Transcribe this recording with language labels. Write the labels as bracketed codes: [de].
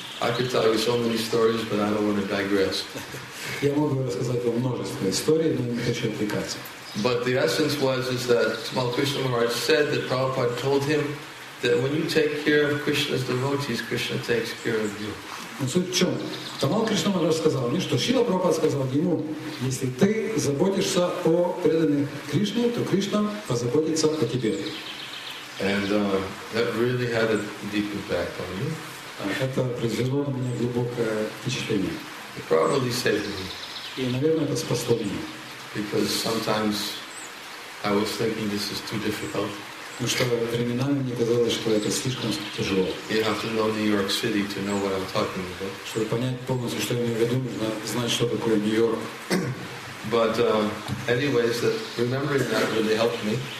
[en] I could tell you so many stories, but I don't want to digress. [ru] Я мог бы рассказать вам множество историй, но не хочу отвлекаться. [en] But the essence was is that Smala Krishna Maharaj said that Prabhupada told him that when you take care of Krishna's devotees, Krishna takes care of you. [ru] Но суть в чем? Смала Кришна Махарадж сказал мне, что Шрила Прабхупада сказал ему, если ты заботишься о преданных Кришне, то Кришна позаботится о тебе. [en] And that really had a deep impact on me. [ru] Это произвело на меня глубокое впечатление. [en] It probably saved me. [ru] И, наверное, это спасло меня. [en] Because sometimes I was thinking this is too difficult. [ru] Потому что временами мне казалось, что это слишком тяжело. [en] You have to know New York City to know what I'm talking about. [ru] Чтобы понять полностью, что я имею в виду, нужно знать, что такое Нью-Йорк. [en] But anyways, that remembering that really helped me.